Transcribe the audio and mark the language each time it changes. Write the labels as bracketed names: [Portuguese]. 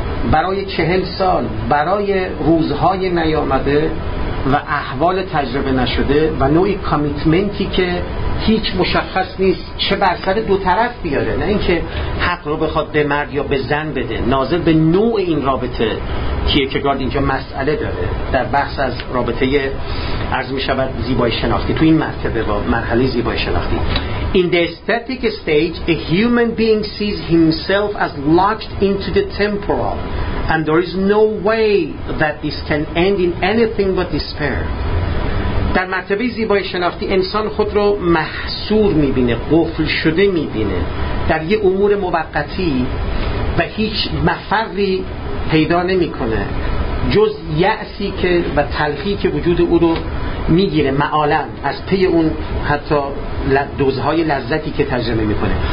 [Persian] برای 40 سال، برای روزهای نیامده و احوال تجربه نشده و نوعی کامیتمنتی که هیچ مشخص نیست چه بر سر دو طرف بیاره، نه اینکه حق رو بخواد به مرد یا به زن بده. ناظر به نوع این رابطه کیکگارد اینجا مسئله داره در بحث از رابطه عرض می شود زیبای شناختی تو این مرتبه و مرحله زیبای شناختی. [English] In the aesthetic stage a human being sees himself as locked into the temporal and there is no way that this can end in anything but despair. [Persian] در مرتبه زیبای شناختی انسان خود رو محصور میبینه، قفل شده میبینه در یه امور موقتی و هیچ مفری پیدا نمیکنه جز یأسی که و تلخی که وجود او رو میگیره معالم از پی اون حتی دوزهای لذتی که تجربه میکنه.